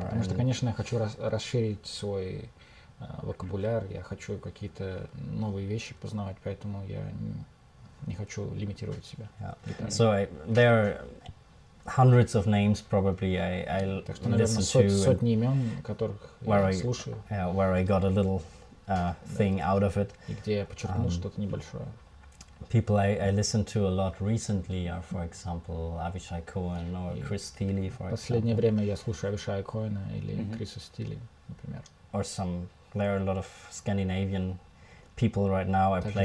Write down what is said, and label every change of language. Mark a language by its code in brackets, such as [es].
[ru] Потому что, конечно, я хочу расширить свой вокабуляр, я хочу какие-то новые вещи познавать, поэтому я не хочу лимитировать себя. [en] Yeah. So there are hundreds of names probably I [ru] так что, наверное, [en] listen to. [ru] Сотни имен, которых я слушаю. [en] Yeah, where I got a little thing out of it. [ru] И где я подчеркнул что-то небольшое. [en] People I listened to a lot recently are, for example, Avishai Cohen or Chris Thiele, for example. [ru] Последнее время я слушаю Авишая Коэна или Криса Стили, например. [en] Or some there are a lot of Scandinavian people right now.